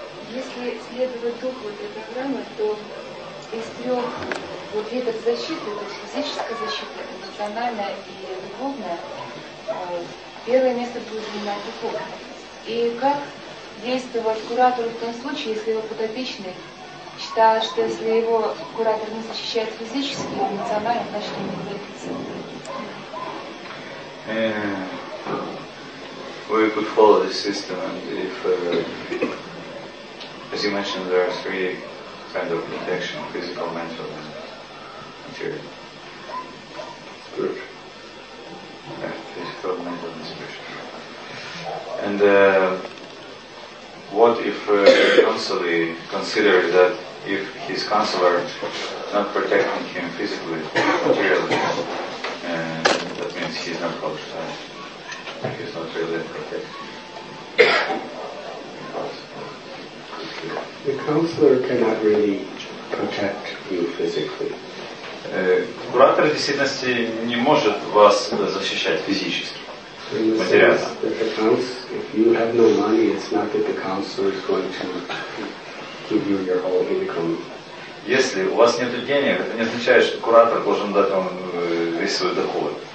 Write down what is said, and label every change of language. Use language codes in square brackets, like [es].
[ru] Если следовать духу этой программы, то из трех вот видов защиты, то есть физическая защита, эмоциональная и духовная, первое место будет занимать духовное. И как действовать куратору в том случае, если его подопечный считает, что если его куратор не защищает физически, эмоционально, значит, он не добьется? [en] We could follow this system, and if, as you mentioned, there are three kinds of protection: physical, mental, and material. Physical, mental, and spiritual. And what if counselee considers that if his counselor not protecting him physically, materially, that means he's not qualified. He's not really protected. The counselor cannot really protect you physically. [ru] Куратор в действительности не может вас защищать физически. [en] If you have no money, it's not that the counselor is going to give you your whole income. [ru] Если у вас нет денег, это не означает, что куратор должен дать вам весь свой доход.